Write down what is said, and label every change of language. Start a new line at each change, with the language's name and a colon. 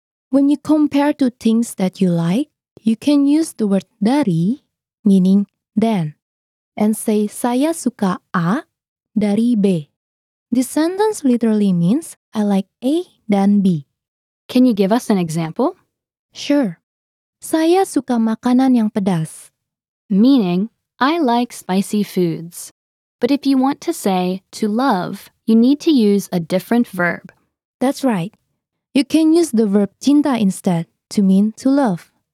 English: When you compare two things that you like, you can use the word dari, meaning than, and say
Indonesian: saya suka A dari B.
English: This sentence literally means I like A than B. Can you give us an example? Sure.
Indonesian: Saya suka makanan yang pedas.
English: Meaning, I like spicy foods. But if you want to say to love, you need to use a different verb. That's right. You can use the verb cinta instead to mean to love.